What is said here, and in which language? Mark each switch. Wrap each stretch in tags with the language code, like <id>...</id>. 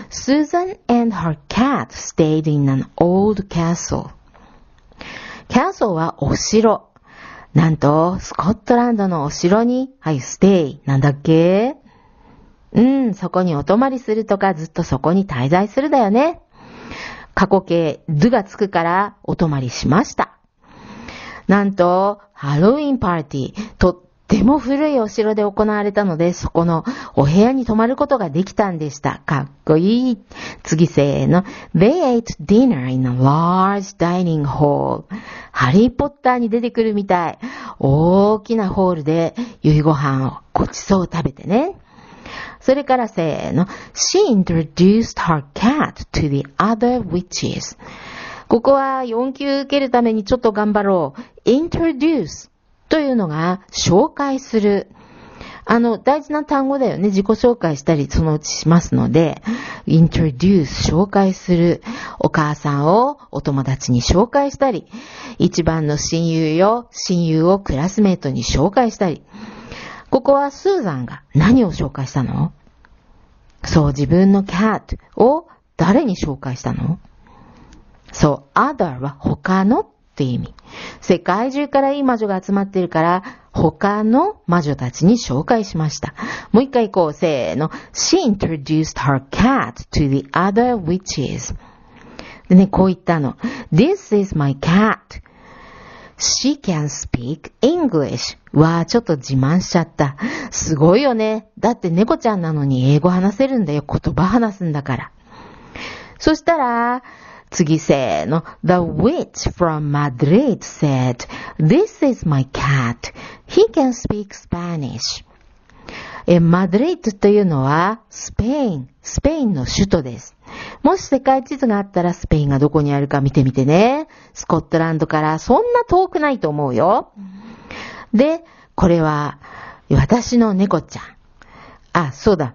<en>Susan and her cat stayed in an old castle.</en> <ja>Castle はお城。なんと、スコットランドのお城に、はい、stay。なんだっけ？そこにお泊まりするとか、ずっとそこに滞在するだよね。過去形、do がつくから、お泊まりしました。なんと、ハロウィンパーティー。とても古いお城で行われたので、そこのお部屋に泊まることができたんでした。かっこいい。次、せーの。</ja> <en>They ate dinner in a large dining hall.</en> <ja>ハリー・ポッターに出てくるみたい。大きなホールで夕ご飯をごちそう食べてね。それから、せーの。</ja> <en>She introduced her cat to the other witches.</en> <ja>ここは4級受けるためにちょっと頑張ろう。 introduce というのが、紹介する。大事な単語だよね。自己紹介したり、そのうちしますので、introduce、紹介する。お母さんをお友達に紹介したり、一番の親友をクラスメイトに紹介したり。ここは、スーザンが何を紹介したの？そう、自分のキャットを誰に紹介したの？そう、other は他のって意味。世界中からいい魔女が集まってるから、他の魔女たちに紹介しました。もう一回行こう。せーの。</ja> <en>She introduced her cat to the other witches.</en> <ja>でね、こう言ったの。</ja> <en>This is my cat. She can speak English.</en> <ja>わー、ちょっと自慢しちゃった。すごいよね。だって猫ちゃんなのに英語話せるんだよ。言葉話すんだから。そしたら、次、せーの。</ja> <en>The witch from Madrid said, This is my cat. He can speak Spanish.</en> <ja>マドリッドというのはスペインの首都です。もし世界地図があったら、スペインがどこにあるか見てみてね。スコットランドからそんな遠くないと思うよ。で、これは私の猫ちゃん。あ、そうだ。</ja>